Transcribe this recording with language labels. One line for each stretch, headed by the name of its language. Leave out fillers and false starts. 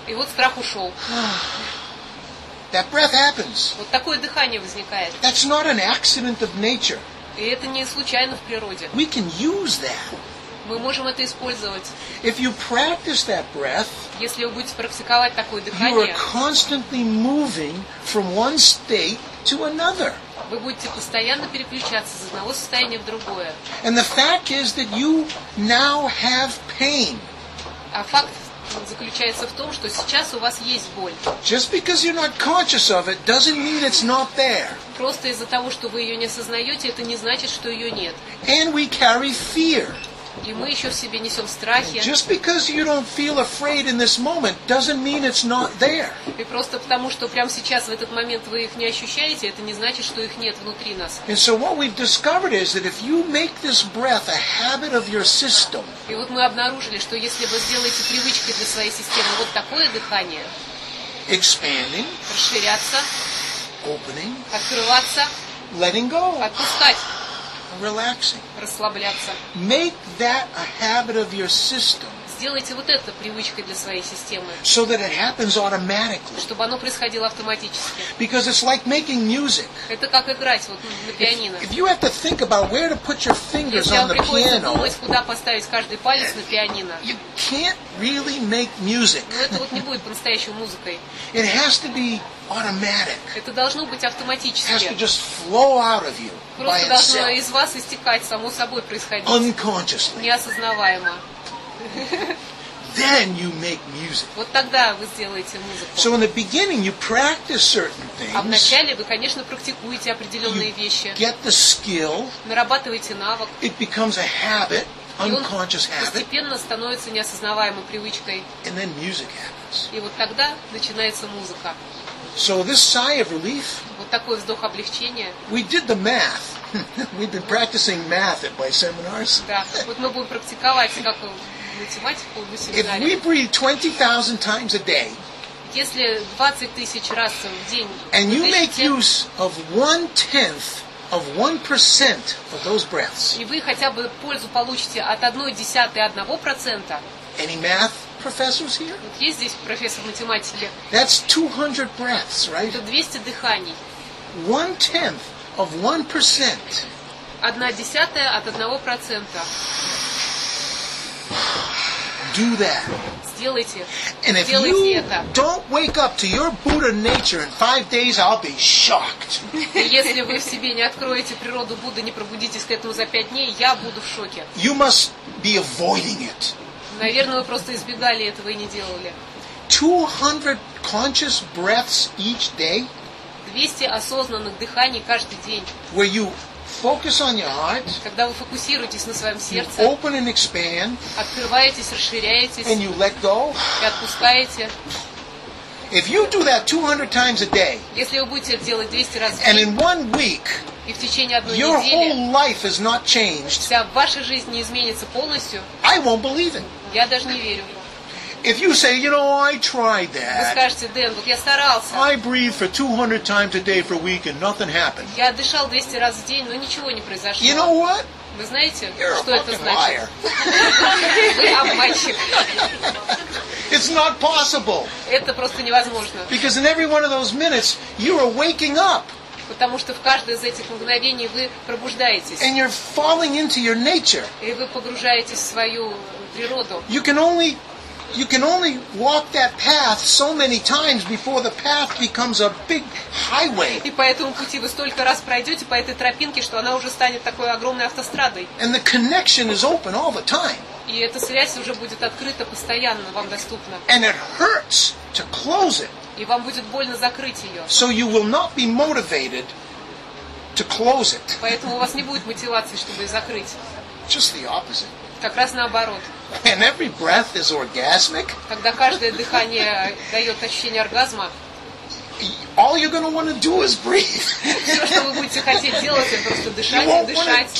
Russian: И вот страх ушел.
English: That breath happens.
Russian: Вот такое дыхание возникает.
English: That's not an accident of nature.
Russian: И это не случайно в природе.
English: We can use that.
Russian: Мы можем это использовать.
English: If you practice that breath,
Russian: если вы будете практиковать такое дыхание,
English: you are constantly moving from one state to another.
Russian: Вы будете постоянно переключаться из одного состояния в другое.
English: And the fact is that you now have pain.
Russian: А факт заключается в том, что сейчас у вас есть боль.
English: Just because you're not conscious of it doesn't mean it's not there.
Russian: Просто из-за того, что вы ее не осознаете, это не значит, что ее нет.
English: And we carry fear.
Russian: И мы еще в себе несем страхи.
English: Just because you don't feel afraid in this moment doesn't mean it's not there.
Russian: И просто потому, что прямо сейчас в этот момент вы их не ощущаете, это не значит, что их нет внутри нас.
English: And so what we've discovered is that if you make this breath a habit of your system.
Russian: И вот мы обнаружили, что если вы сделаете привычкой для своей системы вот такое дыхание.
English: Expanding.
Russian: Расширяться.
English: Opening.
Russian: Открываться.
English: Letting go.
Russian: Отпускать.
English: Relaxing.
Russian: Расслабляться.
English: Make that a habit of your system.
Russian: Сделайте вот это привычкой для своей системы.
English: So that it happens automatically.
Russian: Чтобы оно происходило автоматически.
English: Because it's like making music.
Russian: Это как играть вот на пианино.
English: If you have to think about where to put your fingers on the piano.
Russian: Если вам приходится думать, куда поставить каждый палец на пианино.
English: You can't really make music.
Russian: Но это вот не будет по-настоящему музыкой.
English: It has to be automatic.
Russian: Это должно быть автоматически.
English: It has to just flow out of you.
Russian: Просто должно из вас истекать само собой происходить.
English: Unconsciously.
Russian: Неосознаваемо.
English: Then you make music.
Russian: Вот тогда вы сделаете музыку.
English: So in the beginning you practice certain things.
Russian: А вначале вы, конечно, практикуете определенные
English: you
Russian: вещи.
English: Get the skill.
Russian: Нарабатываете навык.
English: It becomes a habit, unconscious habit.
Russian: И он постепенно становится неосознаваемой привычкой.
English: And then music happens.
Russian: И вот тогда начинается музыка.
English: So this sigh of relief.
Russian: Вот такой вздох облегчения.
English: We did the math. We've been practicing math at my seminars.
Russian: Да, вот мы будем практиковать как математику на семинаре.
English: If we breathe 20,000 times a day.
Russian: Если 20,000 раз в день.
English: And you make use of 1/10 of 1% of those breaths.
Russian: И вы хотя бы пользу получите от 1/10 1%.
English: Any math professors here?
Russian: Вот есть здесь профессор математики.
English: That's 200 breaths, right?
Russian: Это 200 дыханий.
English: 1/10 of 1%.
Russian: 1/10 от 1%.
English: Do that.
Russian: Сделайте.
English: And if
Russian: сделайте
English: you
Russian: это.
English: Don't wake up to your Buddha nature in 5 days, I'll be shocked.
Russian: Если вы в себе не откроете природу Будды, не пробудитесь к этому за 5 дней, я буду в шоке.
English: You must be avoiding it.
Russian: Наверное, вы просто избегали этого и не делали.
English: 200 conscious breaths each day?
Russian: 200 осознанных дыханий каждый день.
English: Where you focus on your heart,
Russian: когда вы фокусируетесь на своем сердце,
English: open and expand,
Russian: открываетесь, расширяетесь,
English: and you let go,
Russian: и отпускаете.
English: If you do that 200 times a day,
Russian: если вы будете это делать 200 раз в день,
English: and in 1 week,
Russian: и в течение одной
English: your
Russian: недели,
English: whole life is not changed,
Russian: вся ваша жизнь не изменится полностью,
English: I won't believe it.
Russian: Я даже не верю.
English: If you say, you know, I tried that.
Russian: Вы скажете, Дэн, вот я старался.
English: I breathe for 200 times a day for a week and nothing happened.
Russian: Я дышал 200 раз в день, но ничего не произошло.
English: You know what?
Russian: Вы знаете,
English: you're
Russian: что это значит? Вы обманщик.
English: It's not possible.
Russian: Это просто невозможно.
English: Because in every one of those minutes, you're waking up.
Russian: Потому что в каждое из этих мгновений вы пробуждаетесь.
English: And you're falling into your nature.
Russian: И вы погружаетесь в свою природу.
English: You can only walk that path so many times before the path becomes a big highway.
Russian: И по этому пути вы столько раз пройдете по этой тропинке, что она уже станет такой огромной автострадой.
English: And the connection is open all the time.
Russian: И эта связь уже будет открыта постоянно, вам доступна.
English: And it hurts to close it.
Russian: И вам будет больно закрыть ее.
English: So you will not be motivated to close it.
Russian: Поэтому у вас не будет мотивации, чтобы ее закрыть.
English: Just the opposite.
Russian: Как раз наоборот.
English: And every breath is orgasmic.
Russian: Когда каждое дыхание дает ощущение оргазма.
English: All you're going to want to do is breathe.
Russian: Все, что вы будете хотеть делать, это просто дышать и дышать.